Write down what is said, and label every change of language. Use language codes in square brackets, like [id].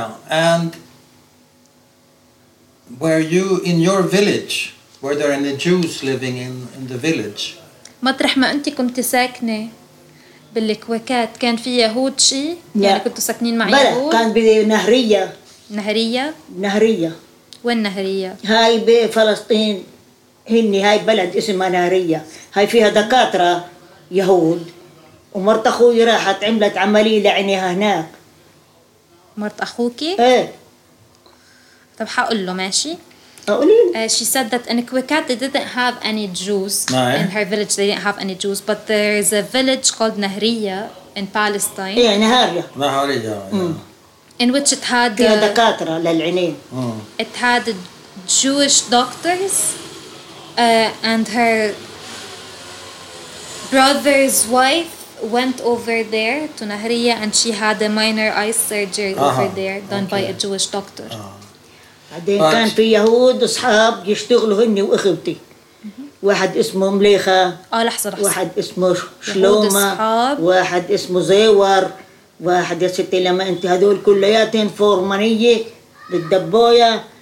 [en] And were you in your village? Were there any Jews living in the village? [ar] مطرح ما أنتي كنت ساكنة بالكويكات كان في يهود شيء يعني كنتوا ساكنين مع يهود. بلى كان بنهرية. نهرية. نهرية. وين نهرية؟ هاي بفلسطين. هني هاي بلد اسمها نهرية. هاي فيها دكاترة يهود ومرت أخوي راحت عملت عملية لعينيها هناك. مرت أخوكي؟ ايه. طب حقول له ماشي؟ أقولي. [en] She said that in Kuwaykat they didn't have any Jews. In her village they didn't have any Jews. But there is a village called نهرية in Palestine. [ar] ايه نهرية. نهرية. [en] In which it had [ar] فيها دكاترة للعينين. [en] It had Jewish doctors. And her brother's wife went over there to Nahriya and she had a minor eye surgery over there done by a Jewish doctor. [ar] بعدين كان في يهود أصحاب يشتغلوا هني وأخوتي. واحد اسمه مليخة. لحظة. واحد اسمه شلومة. واحد اسمه زيور. واحد يا ستي لما أنت هذول كلياتهم فورمانية للدبوية.